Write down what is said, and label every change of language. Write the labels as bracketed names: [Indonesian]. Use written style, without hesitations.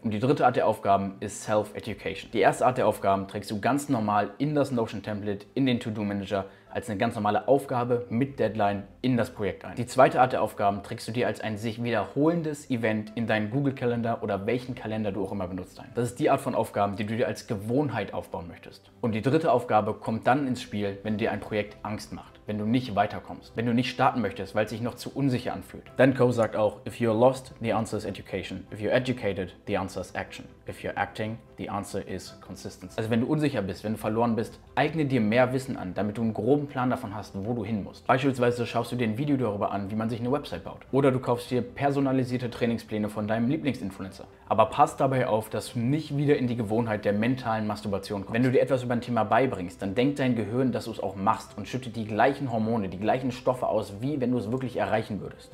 [German] Und die dritte Art der Aufgaben ist Self-Education. Die erste Art der Aufgaben trägst du ganz normal in das Notion-Template, in den To-Do-Manager, als eine ganz normale Aufgabe mit Deadline in das Projekt ein. Die zweite Art der Aufgaben trägst du dir als ein sich wiederholendes Event in deinen Google-Kalender oder welchen Kalender du auch immer benutzt ein. Das ist die Art von Aufgaben, die du dir als Gewohnheit aufbauen möchtest. Und die dritte Aufgabe kommt dann ins Spiel, wenn dir ein Projekt Angst macht, wenn du nicht weiterkommst, wenn du nicht starten möchtest, weil es sich noch zu unsicher anfühlt. Dan Coe sagt auch, [English] if you're lost, the answer is education. If you're educated, the answer is action. If you're acting, the answer is consistency. [German] Also wenn du unsicher bist, wenn du verloren bist, eigne dir mehr Wissen an, damit du einen groben Plan davon hast, wo du hin musst. Beispielsweise schaust du dir ein Video darüber an, wie man sich eine Website baut. Oder du kaufst dir personalisierte Trainingspläne von deinem Lieblingsinfluencer. Aber pass dabei auf, dass du nicht wieder in die Gewohnheit der mentalen Masturbation kommst. Wenn du dir etwas über ein Thema beibringst, dann denkt dein Gehirn, dass du es auch machst und schüttet die gleichen Hormone, die gleichen Stoffe aus, wie wenn du es wirklich erreichen würdest.